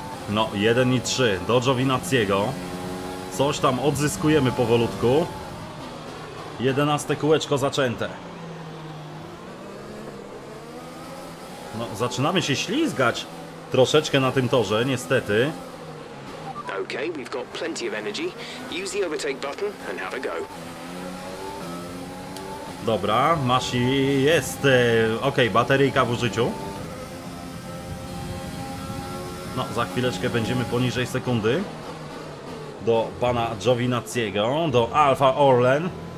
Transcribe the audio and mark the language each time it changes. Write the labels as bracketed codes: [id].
[pl] No, 1 i 3 do Giovinazziego. Coś tam odzyskujemy powolutku. 11 kółeczko zaczęte. No, zaczynamy się ślizgać troszeczkę na tym torze, niestety. [en] Okay, we've got plenty of energy. Use the overtake button and have a go. [pl] Dobra, maszyna jest. Okej, bateryjka w użyciu. No, za chwileczkę będziemy poniżej sekundy do pana Giovinazziego, do Alfa Orlen.